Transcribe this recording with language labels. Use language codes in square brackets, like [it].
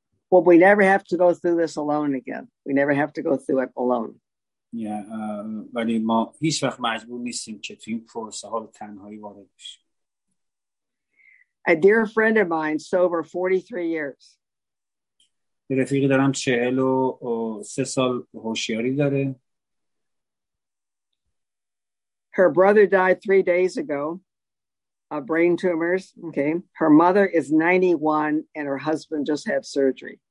[en] Well, we never have to go through this alone again. We never have to go through it alone. [fa] Yeah, ولی ما هیچ وقت مجبور نیستیم که تو این پروسه ها به تنهایی وارد بشیم. [en] A dear friend of mine, sober 43 years. [fa] رفیقی دارم 43 سال هوشیاری داره. [en] Her brother died 3 days ago of brain tumors. Okay. Her mother is 91 and her husband just had surgery.